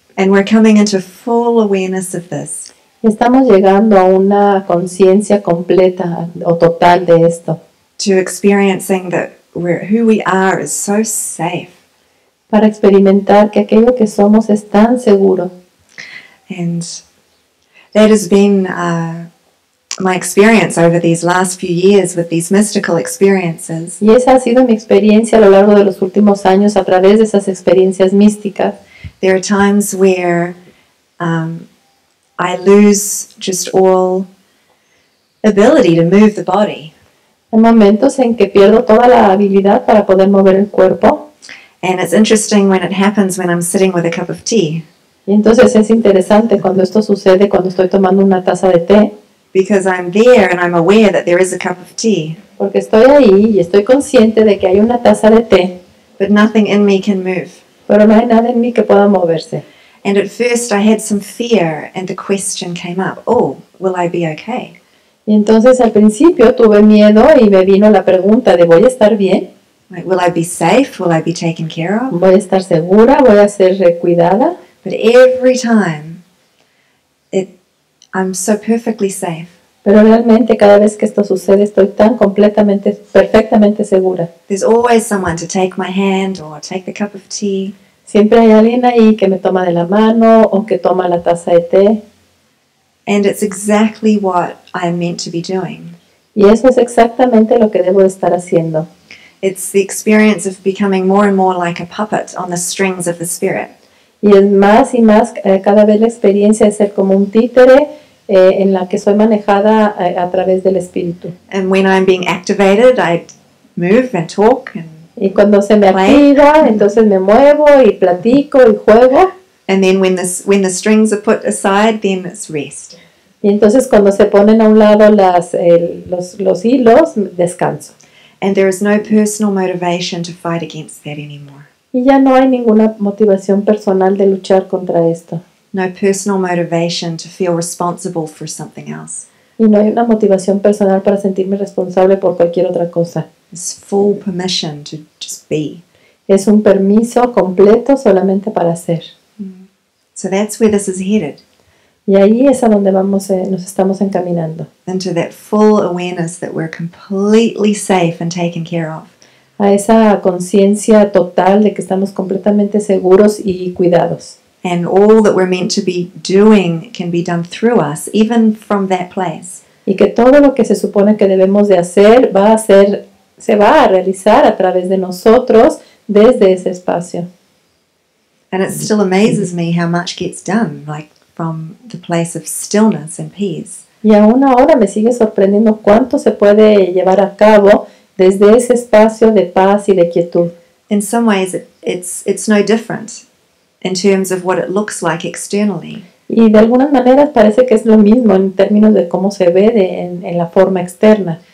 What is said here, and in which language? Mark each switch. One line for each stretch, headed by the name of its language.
English: And we're coming into full awareness of this.
Spanish: Estamos llegando a una conciencia completa o total de esto.
English: To experiencing that who we are is so safe.
Spanish: Para experimentar que aquello que somos es tan seguro.
English: And that has been my experience over these last few years with these mystical experiences.
Spanish: Y esa ha sido mi experiencia a lo largo de los últimos años a través de esas experiencias místicas.
English: There are times where I lose just all ability to move the body.
Spanish: Hay momentos en que pierdo toda la habilidad para poder mover el cuerpo.
English: And it's interesting when it happens when I'm sitting with a cup of tea.
Spanish: Y entonces es interesante cuando esto sucede cuando estoy tomando una taza de té.
English: Because I'm there and I'm aware that there is a cup of tea.
Spanish: Porque estoy ahí y estoy consciente de que hay una taza de té.
English: But nothing in me can move.
Spanish: Pero no hay nada en mí que pueda moverse.
English: And at first I had some fear and the question came up, oh, will I be okay?
Spanish: Y entonces al principio tuve miedo y me vino la pregunta de ¿voy a estar bien?
English: Like, will I be safe? Will I be taken care of?
Spanish: ¿Voy a estar segura? ¿Voy a ser cuidada?
English: But every time, I'm so perfectly safe.
Spanish: Pero realmente cada vez que esto sucede estoy tan completamente, perfectamente segura.
English: There's always someone to take my hand or take the cup of tea.
Spanish: Siempre hay alguien ahí que me toma de la mano o que toma la taza de té.
English: And it's exactly what I'm meant to be doing.
Spanish: Y eso es exactamente lo que debo estar haciendo.
English: It's the experience of becoming more and more like a puppet on the strings of the spirit.
Spanish: Y es más y más cada vez la experiencia de ser como un títere en la que soy manejada a través del espíritu.
English: And when I'm being activated, I move and talk and
Spanish: y cuando se me activa, entonces me muevo y platico y juego.
English: And then when the strings are put aside, then it's rest.
Spanish: Y entonces cuando se ponen a un lado los hilos, descanso.
English: And there is no personal motivation to fight against that anymore.
Spanish: Y ya no hay ninguna motivación personal de luchar contra esto.
English: No personal motivation to feel responsible for something else.
Spanish: Y no hay una motivación personal para sentirme responsable por cualquier otra cosa.
English: It's full permission to just be.
Spanish: Es un permiso completo solamente para ser.
English: So that's where this is headed.
Spanish: Y ahí es a donde vamos, nos estamos encaminando.
English: Into that full awareness that we're completely safe and taken care of.
Spanish: A esa conciencia total de que estamos completamente seguros y cuidados.
English: And all that we're meant to be doing can be done through us, even from that place.
Spanish: Y que todo lo que se supone que debemos de hacer se va a realizar a través de nosotros desde ese espacio.
English: And it still amazes me how much gets done, like from the place of stillness and peace.
Spanish: Y aún ahora me sigue sorprendiendo cuánto se puede llevar a cabo desde ese espacio de paz y de quietud.
English: In some ways, it's no different in terms of what it looks like externally.
Spanish: Y de algunas maneras parece que es lo mismo en términos de cómo se ve en la forma externa.